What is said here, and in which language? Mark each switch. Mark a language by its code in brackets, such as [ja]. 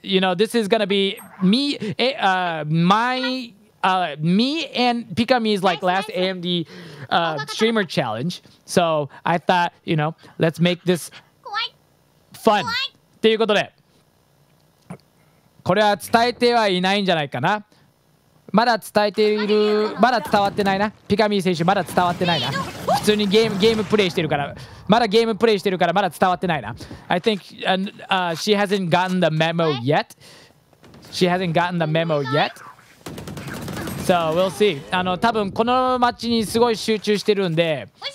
[en] You know, this is gonna be me, my, me and Pikamee's like last AMD streamer challenge. So I thought, you know, let's make this fun. [ja] ということで、これは伝えてはいないんじゃないかな。まだ伝えている、まだ伝わってないな。ピカミー選手まだ伝わってないな。普通にゲームプレイしてるから、まだゲームプレイしてるからまだ伝わってないな。 [en] I think she hasn't gotten the memo yet. She hasn't gotten the memo yet. So we'll see. [ja] あの多分このマッチにすごい集中してるんで。